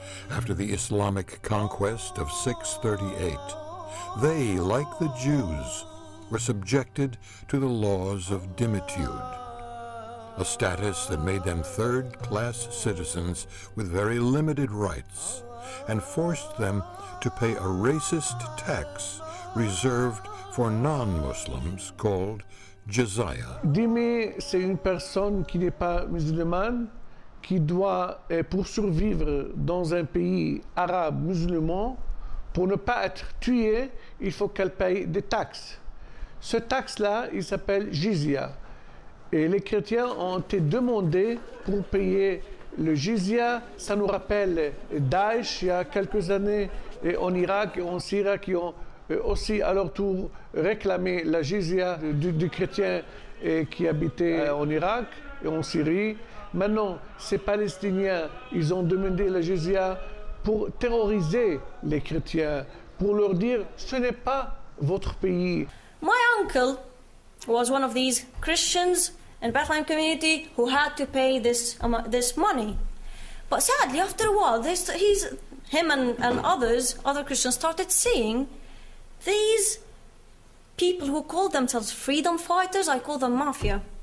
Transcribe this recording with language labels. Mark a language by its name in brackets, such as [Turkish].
[English] After the Islamic conquest of 638, they, like the Jews, were subjected to the laws of dhimmitude, a status that made them third-class citizens with very limited rights and forced them to pay a racist tax reserved for non-Muslims called jizya. [French] Dhimmi, c'est une personne qui n'est pas musulmane, qui doit, pour survivre dans un pays arabe musulman, pour ne pas être tué, il faut qu'elle paye des taxes. Ce taxe-là, il s'appelle jizya. Et les chrétiens ont été demandés pour payer le jizya. Ça nous rappelle Daesh, il y a quelques années, et en Irak et en Syrie, qui ont aussi à leur tour réclamé la jizya du chrétien qui habitait en Irak et en Syrie. Maintenant, ces Palestiniens, ils ont demandé la jizya pour terroriser les chrétiens, pour leur dire ce n'est pas votre pays. [English] My uncle was one of these Christians in Bethlehem community who had to pay this money. But sadly, after a while, him and other Christians started seeing these people who called themselves freedom fighters. I call them mafia.